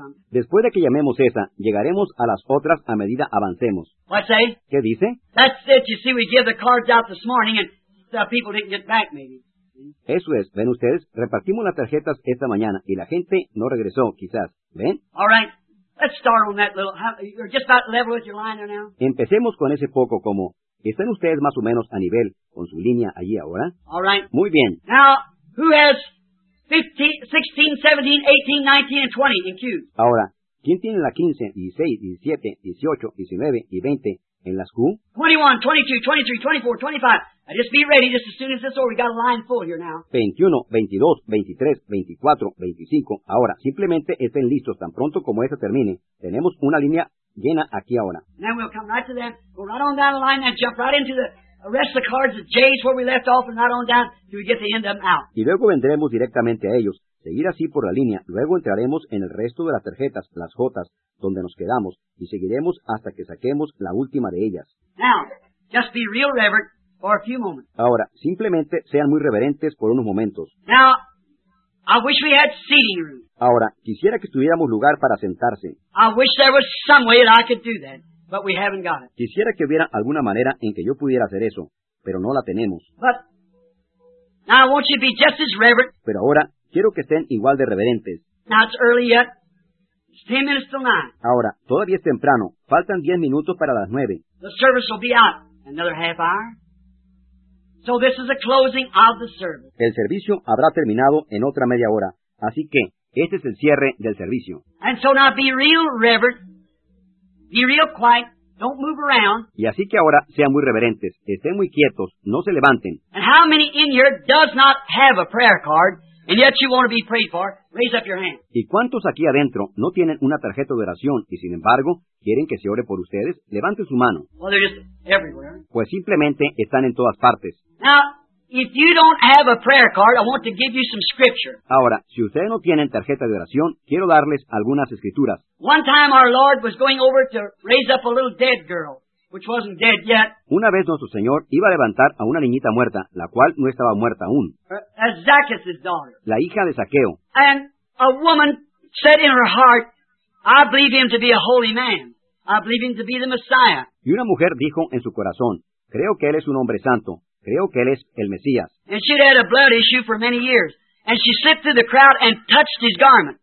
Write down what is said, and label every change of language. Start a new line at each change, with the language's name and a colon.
Spanish: Después de que llamemos esa, llegaremos a las otras a medida avancemos. ¿Qué dice?
English: That's it. You see, we give the cards out this morning and the people didn't get back, maybe.
Spanish: Eso es, ¿ven ustedes? Repartimos las tarjetas esta mañana y la gente no regresó, quizás, ¿ven?
English: All right. Let's start on that little. You're just about level with your line now.
Spanish: Empecemos con ese poco como. ¿Están ustedes más o menos a nivel con su línea allí ahora?
English: All right.
Spanish: Muy bien.
English: Now, who has 15, 16, 17, 18, 19, and 20 in Q?
Spanish: Ahora, ¿quién tiene la 15, 16, 17, 18, 19 y 20 en las Q?
English: 21, 22, 23, 24, 25. Now just be ready just as soon as this is over. We've got a line full here now.
Spanish: 21, 22, 23, 24, 25. Ahora, simplemente estén listos tan pronto como esta termine. Tenemos una línea llena aquí ahora.
English: Now we'll come right to them. Go right on down the line and jump right into the rest of the cards, the J's where we left off, and right on down till we get the end of them out.
Spanish: Y luego vendremos directamente a ellos. Seguir así por la línea. Luego entraremos en el resto de las tarjetas, las J's, donde nos quedamos, y seguiremos hasta que saquemos la última de ellas.
English: Now, just be real reverent for a few moments.
Spanish: Ahora, simplemente sean muy reverentes por unos momentos.
English: Now, I wish we had seating room.
Spanish: Ahora, quisiera que tuviéramos lugar para sentarse.
English: I wish there was some way that I could do that, but we haven't got it.
Spanish: Quisiera que hubiera alguna manera en que yo pudiera hacer eso, pero no la tenemos.
English: But, now I want you to be just as reverent.
Spanish: Pero ahora, quiero que estén igual de reverentes.
English: Now it's early yet. It's 10 minutes till 9.
Spanish: Ahora, todavía es temprano. Faltan 10 minutos para las 9.
English: The service will be out another half hour. So this is a closing of the service.
Spanish: El servicio habrá terminado en otra media hora. Así que, este es el cierre del servicio.
English: And so now be real reverent. Be real quiet. Don't move around.
Spanish: Y así que ahora sean muy reverentes. Estén muy quietos. No se levanten.
English: And how many in here does not have a prayer card and yet you want to be prayed for? Raise up your hand.
Spanish: ¿Y cuántos aquí adentro no tienen una tarjeta de oración y sin embargo quieren que se ore por ustedes? Levanten su mano.
English: Well, they're just everywhere.
Spanish: Pues simplemente están en todas partes.
English: Now, if you don't have a prayer card, I want to give you some scripture.
Spanish: Ahora, si ustedes no tienen tarjeta de oración, quiero darles algunas escrituras.
English: One time our Lord was going over to raise up a little dead girl, which wasn't dead yet.
Spanish: Una vez nuestro Señor iba a levantar a una niñita muerta, la cual no estaba muerta aún.
English: Zacchaeus' daughter.
Spanish: La hija de Zaqueo.
English: And a woman said in her heart, I believe him to be a holy man. I believe him to be the Messiah.
Spanish: Y una mujer dijo en su corazón, creo que él es un hombre santo. Creo que él es el Mesías.
English: And she'd had a blood issue for many years. And she slipped through the crowd and touched his garment.